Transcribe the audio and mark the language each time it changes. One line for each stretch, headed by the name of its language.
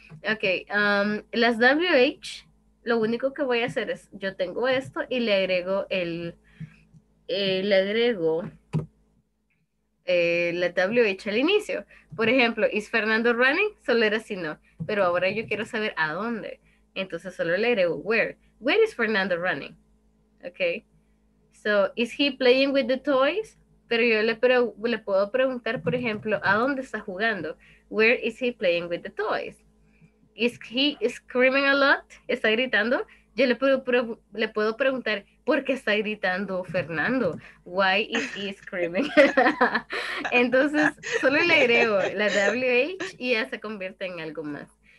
Spanish: Okay, las WH, lo único que voy a hacer es, yo tengo esto y le agrego la WH al inicio. Por ejemplo,
English: is Fernando running?
Spanish: Solo era si no, pero ahora yo quiero saber a dónde. Entonces solo le agrego where.
English: Where is Fernando running? Okay, so is he playing with the toys?
Spanish: Pero yo le puedo preguntar, por ejemplo, ¿a dónde está jugando?
English: Where is he playing with the toys? Is he screaming a lot?
Spanish: ¿Está gritando? Yo le puedo preguntar, ¿por qué está gritando Fernando?
English: Why is he screaming?
Spanish: Entonces, solo le agrego la WH y ya se convierte en algo más.